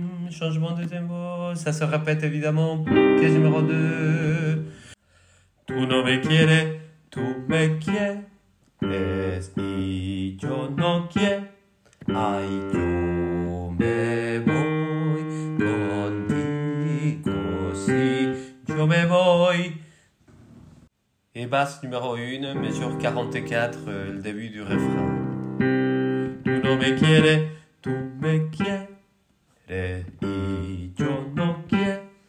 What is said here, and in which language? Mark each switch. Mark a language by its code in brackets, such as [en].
[fr] Changement de tempo, ça se répète évidemment. Case numéro 2. [es] Tu no me quieres, tu me quieres, y yo no quiero. Ay, yo me voy contigo, si yo me voy. [fr] Et basse numéro 1, mesure 44, le début du refrain. [es] Tu no me quieres, tu me quieres, y yo no quiero.